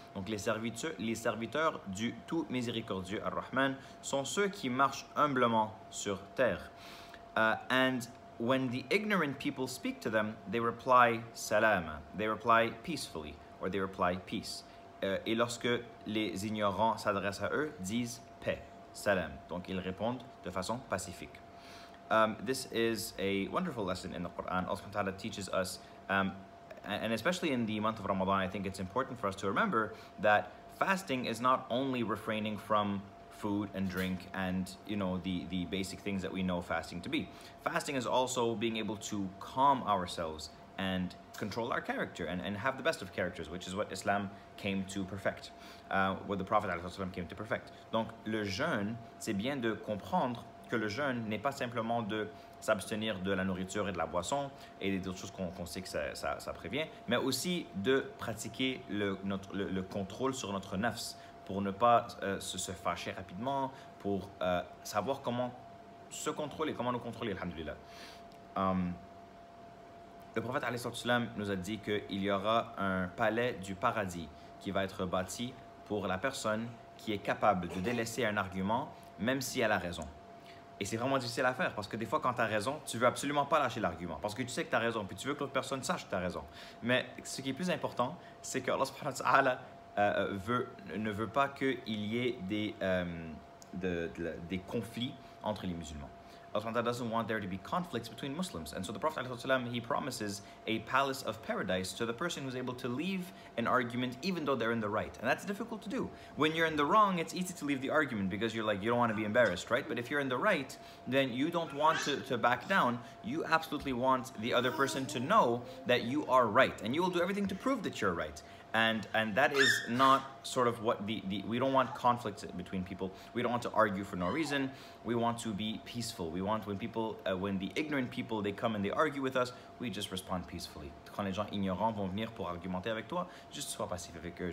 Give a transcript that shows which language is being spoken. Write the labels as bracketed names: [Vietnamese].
[French] Donc les serviteurs du tout miséricordieux Ar-Rahman sont ceux qui marchent humblement sur terre. [English] And when the ignorant people speak to them, they reply salam, they reply peacefully, or they reply peace. [French] Et lorsque les ignorants s'adressent à eux, disent paix. Salam. Donc ils répondent de façon pacifique. [English] This is a wonderful lesson in the Quran. Allah subhanahu wa ta'ala teaches us, and especially in the month of Ramadan, I think it's important for us to remember that fasting is not only refraining from food and drink and, you know, the basic things that we know fasting to be. Fasting is also being able to calm ourselves and control our character and have the best of characters, which is what Islam came to perfect, what the Prophet ﷺ came to perfect. [French] Donc le jeûne, c'est bien de comprendre que le jeûne n'est pas simplement de s'abstenir de la nourriture et de la boisson et d'autres choses qu'on sait que ça prévient, mais aussi de pratiquer le contrôle sur notre nafs pour ne pas se fâcher rapidement, pour savoir comment se contrôler, comment nous contrôler, alhamdoulilah. Le prophète alayhi salatu salam nous a dit qu'il y aura un palais du paradis qui va être bâti pour la personne qui est capable de délaisser un argument même si elle a raison. Et c'est vraiment difficile à faire parce que des fois quand tu as raison, tu veux absolument pas lâcher l'argument parce que tu sais que tu as raison puis tu veux que l'autre personne sache que tu as raison. Mais ce qui est plus important, c'est que Allah subhanahu wa ta'ala ne veut pas qu'il y ait des conflits entre les musulmans. [English] Allah subhanahu wa ta'ala doesn't want there to be conflicts between Muslims. And so the Prophet sallallahu alayhi wa sallam, he promises a palace of paradise to the person who's able to leave an argument even though they're in the right. And that's difficult to do. When you're in the wrong, it's easy to leave the argument because you're like, you don't want to be embarrassed, right? But if you're in the right, then you don't want to back down. You absolutely want the other person to know that you are right. And you will do everything to prove that you're right. And that is not sort of what the we don't want conflict between people. We don't want to argue for no reason. We want to be peaceful. We want when the ignorant people, they come and they argue with us, we just respond peacefully. [French] Quand les gens ignorants vont venir pour argumenter avec toi, juste sois passif avec eux.